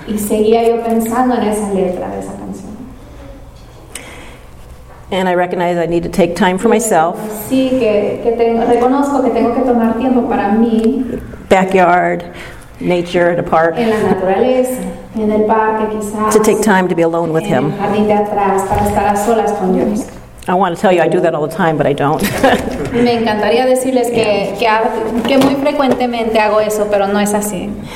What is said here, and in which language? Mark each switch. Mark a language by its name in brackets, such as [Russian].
[Spanish] Y seguía yo pensando en esa letra de esa canción. [English] And I recognized I need to take time for myself. [Spanish] Sí, que tengo, reconozco que tengo que tomar tiempo para mí. [English] Backyard, nature, the park. [Spanish] En la naturaleza, en el parque quizás. [English] To take time to be alone with him. [Spanish] En el jardín de atrás, para estar a solas con Dios. [English] I want to tell you I do that all the time, but I don't. [Spanish] Me encantaría decirles que muy frecuentemente hago eso, pero no es así.